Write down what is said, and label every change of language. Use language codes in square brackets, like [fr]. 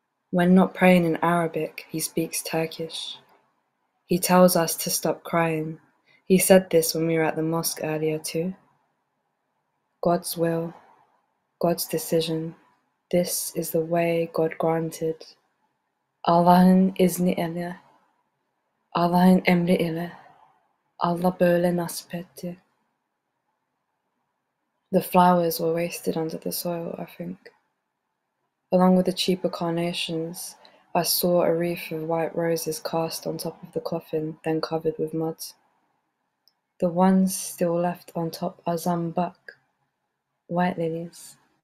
[en] When not praying in Arabic, he speaks Turkish. He tells us to stop crying. He said this when we were at the mosque earlier too. God's will, God's decision, this is the way God granted. [tr] Allah'ın izni ile. Allah'ın emri ile, Allah böyle nasip etti. [en] The flowers were wasted under the soil, I think. Along with the cheaper carnations, I saw a wreath of white roses cast on top of the coffin, then covered with mud. The ones still left on top are zambak, white lilies.